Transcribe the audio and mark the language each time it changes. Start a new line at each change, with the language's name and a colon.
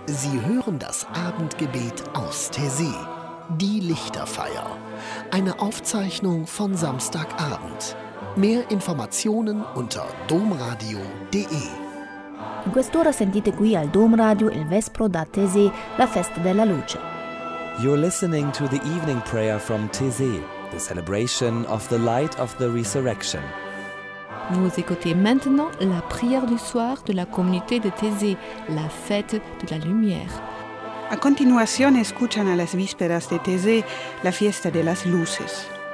German: Sie hören das Abendgebet aus Tessé. Die Lichterfeier. Eine Aufzeichnung von Samstagabend. Mehr Informationen unter domradio.de.
Italian: In quest'ora sentite qui al Domradio il Vespro da Tessé, la Festa della Luce.
English: You're listening to the evening prayer from Tessé, the celebration of the light of the resurrection.
French: Vous écoutez maintenant la prière du soir de la communauté de Tessé, la fête de la lumière.
Spanish: A continuación escuchan a las vísperas de Tessé, la fiesta de las luces.